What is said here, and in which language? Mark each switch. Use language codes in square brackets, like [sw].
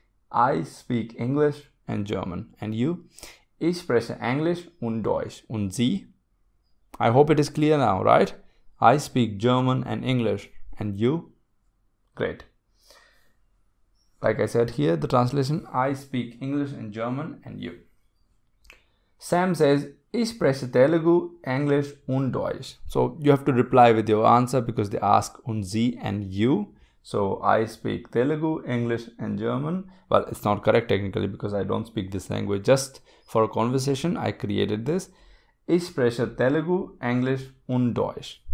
[en] I speak English and German. And you? [de] Ich spreche Englisch und Deutsch. Und Sie? [en] I hope it is clear now, right? I speak German and English. And you? Great. Like I said here, the translation, I speak English and German and you. Sam says, [de] ich spreche Telugu, English und Deutsch. [en] So you have to reply with your answer because they ask [de] und Sie [en] and you. So I speak Telugu, English and German. Well, it's not correct technically because I don't speak this language. Just for a conversation, I created this. [de] Ich spreche Telugu, English und Deutsch.